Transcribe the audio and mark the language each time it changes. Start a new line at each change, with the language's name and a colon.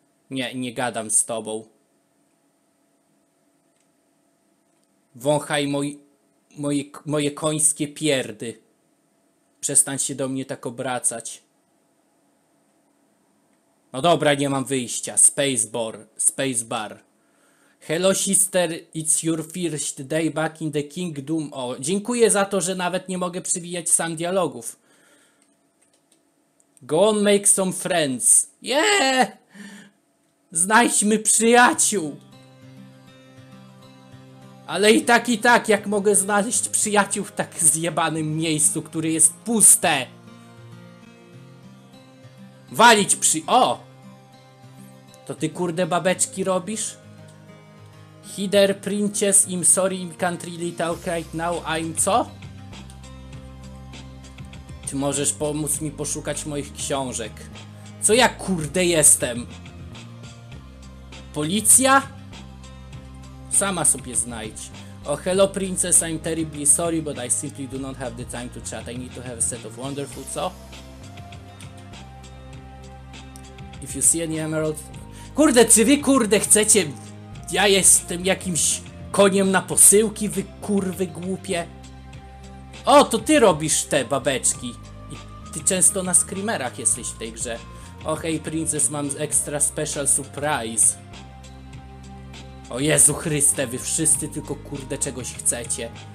Polish: Nie, nie gadam z tobą. Wąchaj moje końskie pierdy. Przestań się do mnie tak obracać. No dobra, nie mam wyjścia.
English: Spacebar. Spacebar. Hello sister, it's your first day back in the kingdom.
Polish: O, dziękuję za to, że nawet nie mogę przewijać sam dialogów.
English: Go on, make some friends. Yeah!
Polish: Znajdźmy przyjaciół! Ale i tak, jak mogę znaleźć przyjaciół w tak zjebanym miejscu, które jest puste? Walić przy... O! To ty, kurde, babeczki robisz?
English: Hider princess, I'm sorry, I can't really talk right now, I'm
Polish: co? Ty możesz pomóc mi poszukać moich książek. Co ja, kurde, jestem? Policja? Sama sobie znajdź.
English: Oh, hello princess, I'm terribly sorry, but I simply do not have the time to chat. I need to have a set of wonderful,
Polish: co?
English: If you see any emerald...
Polish: Kurde, czy wy, kurde, chcecie... Ja jestem jakimś koniem na posyłki, wy kurwy głupie. O, to ty robisz te babeczki. I ty często na screamerach jesteś w tej grze. O, hej, princess, mam
English: extra special surprise.
Polish: O Jezu Chryste, wy wszyscy tylko kurde czegoś chcecie.